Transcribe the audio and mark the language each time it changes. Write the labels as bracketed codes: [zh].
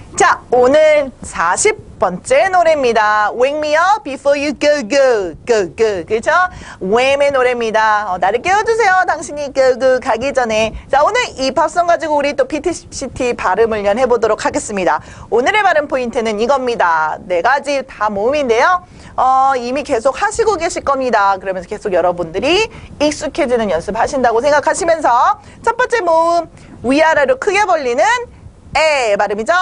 [ko] 자, 오늘 40번째 노래입니다. [en] Wake me up before you go go go go. [ko] 그렇죠? Wham의 노래입니다. 나를 깨워주세요. 당신이 go go 가기 전에. 자, 오늘 이 팝송 가지고 우리 또 PTCT 발음 훈련 해보도록 하겠습니다. 오늘의 발음 포인트는 이겁니다. 네 가지 다 모음인데요. 이미 계속 하시고 계실 겁니다. 그러면서 계속 여러분들이 익숙해지는 연습하신다고 생각하시면서 첫 번째 모음 위아래로 크게 벌리는 에 발음이죠.